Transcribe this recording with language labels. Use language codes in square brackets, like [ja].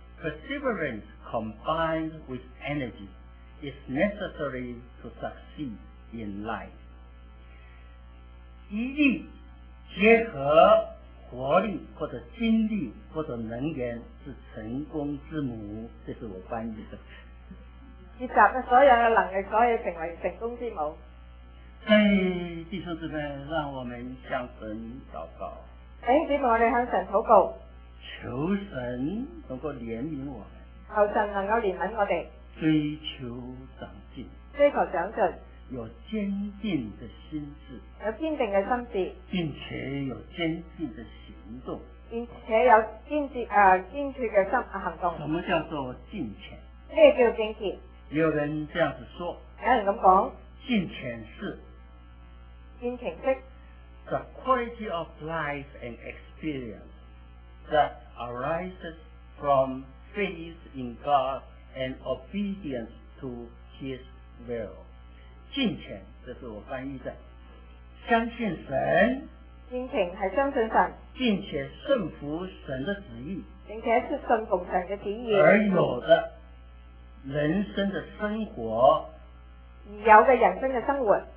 [en] ，perseverance combined with energy is necessary to succeed in life。 [zh] 毅力结合活力或者精力或者能源是成功之母，这是我翻译的。结集所有的能力，所以成为成功之母。对，弟兄姊妹，让我们向神祷告。弟兄姊妹，我们向神祷告，求神能够怜悯我们，求神能够怜悯我们，追求长进，追求长进，有坚定的心智，有坚定的心智，并且有坚定的行动，并且有坚定坚决的心行动。什么叫做敬虔？什么叫敬虔？有人这样子说，有人这么说，敬虔是，敬虔是 [en] the quality of life and experience that arises from faith in God and obedience to His will。 [zh] 敬虔，这是我翻译的，相信神，敬虔是相信神，并且顺服神的旨意，并且是顺服神的旨意，而有的人生的生活，有的人生的生活，